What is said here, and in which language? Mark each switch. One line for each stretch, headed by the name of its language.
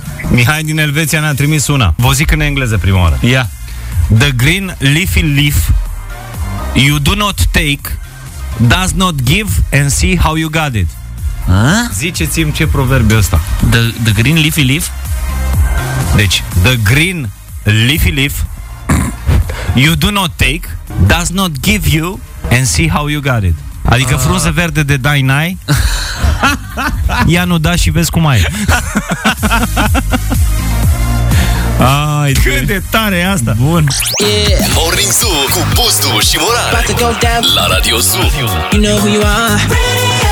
Romanian: Mihai din Elveția ne-a trimis una. Vă zic în engleză prima oară. Ia.
English: Yeah. The green leafy leaf you do not take, does not give, and see how you got it. A?
Romanian: Ziceți-mi ce proverb e ăsta.
English: The green leafy leaf.
Romanian: Deci,
English: the green leafy leaf you do not take, does not give you, and see how you got it.
Romanian: Adică frunză verde de dai n-ai. Ia nu da și vezi cum ai. Cât de tare e asta. Bun.
English: Yeah. Morning Zoo cu Bustu și Morar. La Radio Zoo. You know who you are.